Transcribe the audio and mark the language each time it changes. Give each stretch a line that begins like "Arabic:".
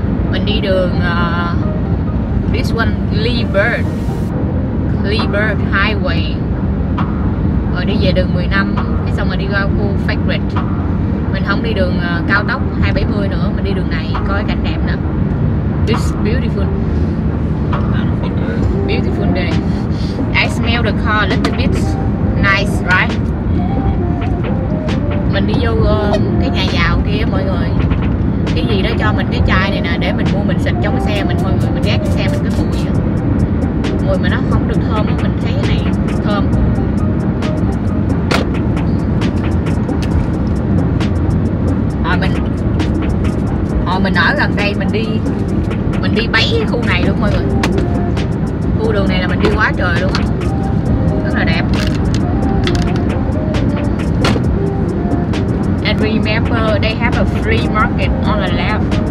Vietnamese: Mình đi đường
English: this one,
Vietnamese: Liebert Highway. Rồi đi về đường 15, cái xong rồi đi qua khu Fagret. Mình không đi đường cao tốc 270 nữa, mình đi đường này coi cảnh đẹp nè.
English: It's beautiful. Beautiful day. I smell the car a little bit nice, right?
Vietnamese: Mình đi vô cái nhà giàu kia mọi người. Cái gì đó cho mình cái chai này nè, để mình mua mình xịt trong xe mình mọi người. Mình ghét cái xe mình cái mùi á. Mùi mà nó không được thơm á, mình thấy cái này thơm. Hồi mình ở gần đây, mình đi bấy cái khu này luôn mọi người. Khu đường này là mình đi quá trời luôn á. Rất là đẹp.
English: And remember, they have a flea market on the left.